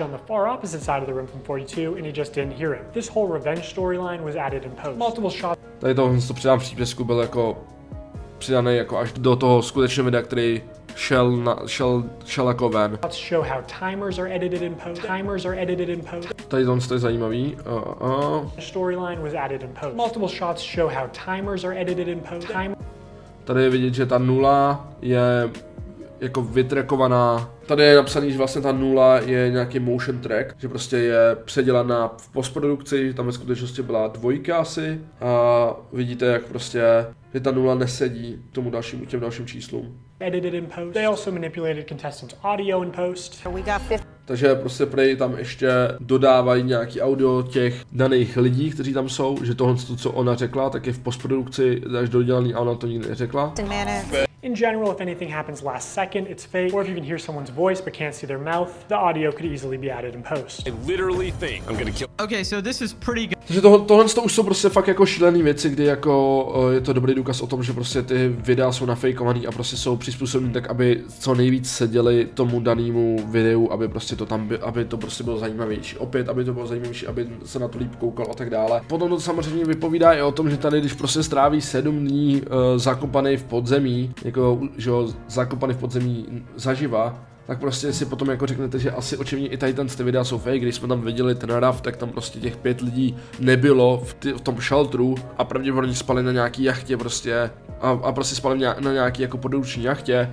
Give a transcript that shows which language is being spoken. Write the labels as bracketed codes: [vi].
[en] On the far opposite side of the room from 42 and he just didn't hear him. This whole revenge storyline was added in post. Multiple shots. [cs] Tady to přidám v přípisku, byl jako přidaný jako až do toho skutečného videa, který šel jako ven. [en] Let's show how timers are edited in post. Timers are edited in post. [cs] Tady to je zajímavý. [en] Storyline was added in post. Multiple shots show how timers are edited in post. [cs] Tady je vidět, že ta nula je jako vytrackovaná. Tady je napsaný, že vlastně ta nula je nějaký motion track, že prostě je předělaná v postprodukci, že tam ve skutečnosti byla dvojka asi. A vidíte, jak prostě že ta nula nesedí tomu dalšímu těm dalším číslům. [en] Edited in post. They also manipulated contestants' audio in post. [cs] Takže prostě prej tam ještě dodávají nějaký audio těch daných lidí, kteří tam jsou, že tohle, co ona řekla, tak je v postprodukci až dodělaný a ona to nikdy neřekla. [en] In general, if anything happens last second, it's fake. Or if you can hear someone's voice but can't see their mouth, the audio could easily be added in post. I literally think I'm gonna kill. Okay, so this is pretty good. [cs] Takže tohle to už jsou prostě fakt jako šílený věci, kdy jako je to dobrý důkaz o tom, že prostě ty videa jsou nafejkovaný a prostě jsou přizpůsobeny tak, aby co nejvíc seděli tomu danému videu, aby prostě to tam aby to prostě bylo zajímavější. Opět, aby to bylo zajímavější, aby se na to líp koukal a tak dále. Potom to samozřejmě vypovídá i o tom, že tady, když prostě stráví 7 dní zakopaný v podzemí, jako že jo, zakopaný v podzemí zaživa, tak prostě si potom jako řeknete, že asi očividně i Titans ty videa jsou fake, když jsme tam viděli ten raft, tak tam prostě těch 5 lidí nebylo v tom shelteru a pravděpodobně spali na nějaký jachtě prostě a prostě spali na nějaký jako produční jachtě.